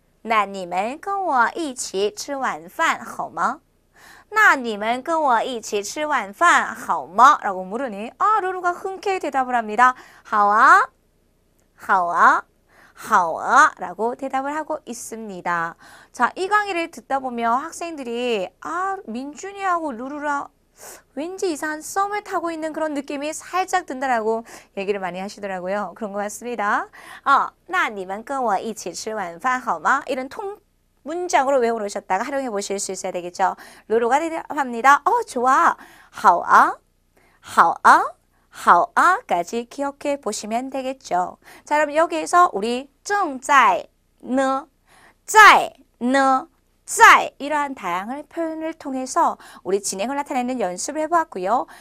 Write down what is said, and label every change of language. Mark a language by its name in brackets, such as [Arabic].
[Chinese] 那你们跟我一起吃晚饭好吗? 那你们跟我一起吃晚饭好吗?那你们跟我一起吃晚饭好吗? [Korean] 라고 물으니, 루루가 흔쾌히 대답을 합니다. [Chinese] 好啊, 好啊, 好啊 [Korean] 라고 대답을 하고 있습니다. 자, 이 강의를 듣다 보면 학생들이, 민준이하고 루루랑 왠지 이상한 썸을 타고 있는 그런 느낌이 살짝 든다라고 얘기를 많이 하시더라고요. 그런 것 같습니다. [Chinese] 那你们跟我一起吃晚饭好吗? [Korean] 이런 통 문장으로 외워놓으셨다가 활용해 보실 수 있어야 되겠죠. 루루가 대답합니다. 좋아. [Chinese] 好啊.好啊. [Korean] 好啊까지 기억해 보시면 되겠죠. 자, 그럼 여기에서 우리 正在呢,在呢,在 이러한 다양한 표현을 통해서 우리 진행을 나타내는 연습을 해 보았고요.